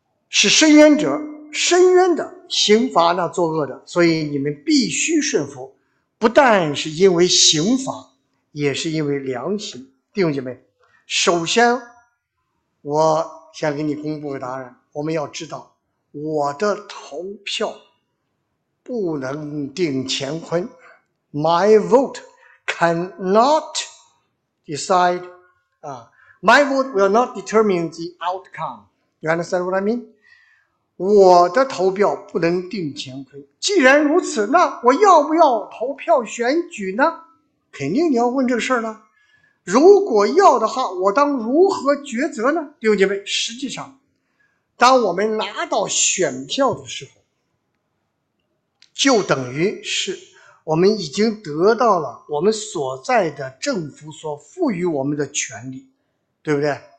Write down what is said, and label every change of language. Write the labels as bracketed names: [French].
[Chinese] 是伸冤者，伸冤的刑罚那作恶的，所以你们必须顺服，不但是因为刑罚，也是因为良心。弟兄姐妹，首先我先给你公布个答案，我们要知道我的投票不能定乾坤。 [English] My vote cannot decide, my vote will not determine the outcome. You understand what I mean? [Chinese] 我的投票不能定乾坤。既然如此，那我要不要投票选举呢？肯定你要问这个事儿了。如果要的话，我当如何抉择呢？弟兄姐妹，实际上，当我们拿到选票的时候，就等于是我们已经得到了我们所在的政府所赋予我们的权利，对不对？